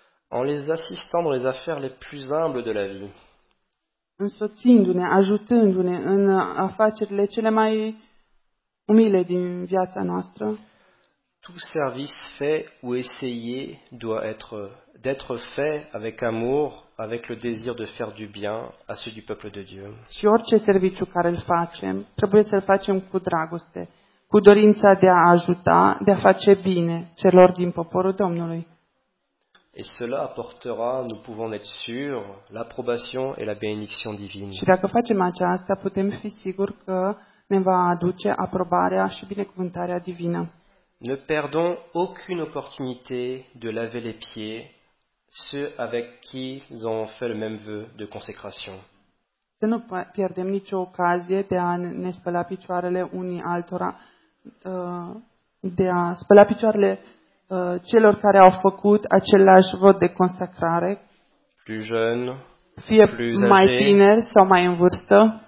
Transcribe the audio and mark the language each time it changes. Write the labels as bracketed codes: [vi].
[fr] En les assistant dans les affaires les plus humbles de la vie. [ro] Însoțindu-ne, ajutându-ne în afacerile cele mai umile din viața noastră. [fr] Tout service fait ou essayé doit être fait avec amour, avec le désir de faire du bien à ceux du peuple de Dieu. [ro] Și orice serviciu care îl facem, trebuie să-l facem cu dragoste, cu dorința de a ajuta, de a face bine celor din poporul Domnului. [fr] Et cela apportera, nous pouvons être sûrs, l'approbation et la bénédiction divine. [ro] Și dacă facem aceasta, putem fi siguri că ne va aduce aprobarea și binecuvântarea divină. [fr] Ne perdons aucune opportunité de laver les pieds ceux avec qui ils ont fait le même vœu de consécration. [ro] Să nu pierdem nicio ocazie de a ne spăla picioarele unii altora, de a spăla picioarele celor care au făcut același vot de consacrare. [fr] Plus jeune, [ro] fie [fr] plus [ro] mai [fr] âgé, [ro] tineri sau mai în vârstă.